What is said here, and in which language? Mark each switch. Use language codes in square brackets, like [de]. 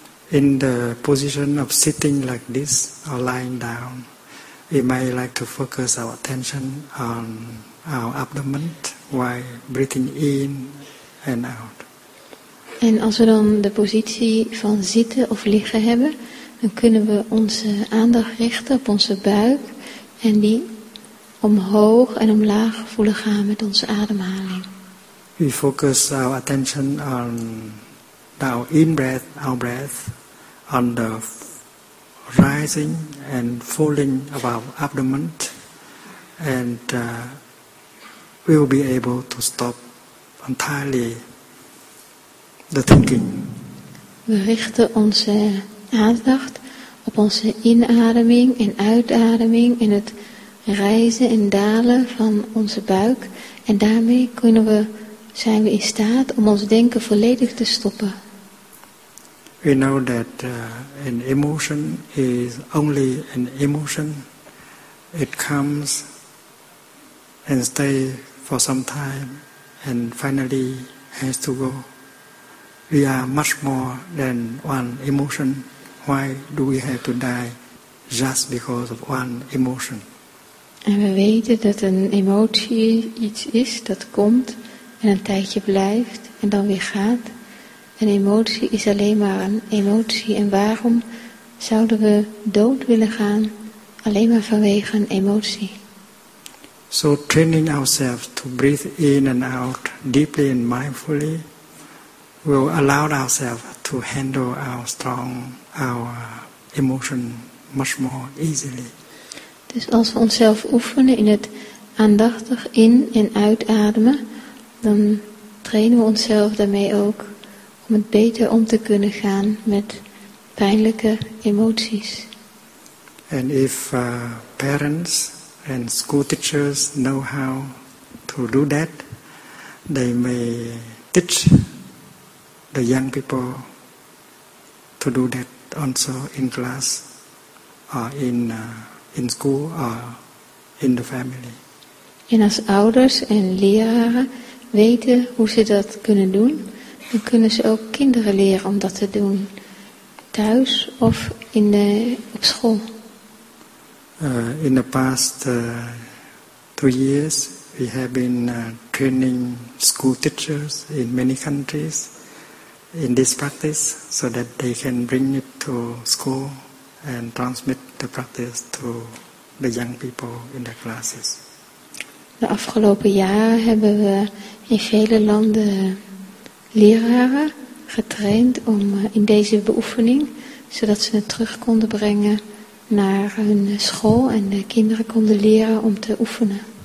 [en] In the position of sitting like this or lying down, we might like to focus our attention on our abdomen while breathing in and out. [nl] En als we dan de positie van zitten of liggen hebben, dan kunnen we onze aandacht richten op onze buik en die omhoog en omlaag voelen gaan met onze ademhaling. [en] We focus our attention on our in-breath, our breath, on the rising and falling of our abdomen, and we will be able to stop entirely the thinking. [nl] We richten onze aandacht op onze inademing en uitademing en het reizen en dalen van onze buik. En daarmee zijn we in staat om ons denken volledig te stoppen. [en] We know that an emotion is only an emotion. It comes and stays for some time and finally has to go. We are much more than one emotion. Why do we have to die? just because of one emotion. [nl] En we weten dat een emotie iets is dat komt en een tijdje blijft en dan weer gaat. Een emotie is alleen maar een emotie. En waarom zouden we dood willen gaan alleen maar vanwege een emotie? [en] So training ourselves to breathe in and out deeply and mindfully will allow ourselves to handle our emotion much more easily. [nl] Dus als we onszelf oefenen in het aandachtig in- en uitademen, dan trainen we onszelf daarmee ook om het beter om te kunnen gaan met pijnlijke emoties. [en] And if parents and school teachers know how to do that, they may teach the young people to do that also in class or in school or in the family. [nl] En als ouders en leraren weten hoe ze dat kunnen doen, dan kunnen ze ook kinderen leren om dat te doen, thuis of in de, op school. [en] In the past 2 years, we have been training school teachers in many countries in this practice so that they can bring it to school and transmit the practice to the young people in their classes. [nl] De afgelopen jaren hebben we in vele landen leraren getraind om in deze beoefening, zodat ze het terug konden brengen naar hun school en de kinderen konden leren om te oefenen.